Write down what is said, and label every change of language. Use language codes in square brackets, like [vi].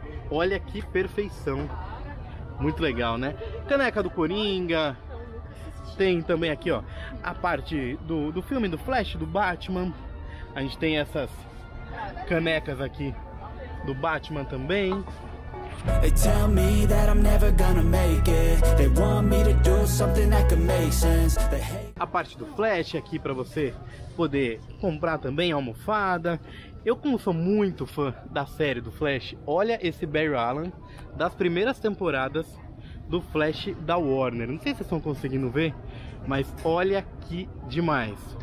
[pt] Olha que perfeição. Muito legal, né? Caneca do Coringa. Tem também aqui, ó, a parte do filme do Flash, do Batman. A gente tem essas canecas aqui do Batman também. [en] They tell me that I'm never gonna make it. They want me to do something that can make sense. They hate... [pt] A parte do Flash aqui pra você poder comprar também a almofada. Eu, como sou muito fã da série do Flash, olha esse Barry Allen das primeiras temporadas do Flash da Warner. Não sei se vocês estão conseguindo ver, mas olha que demais.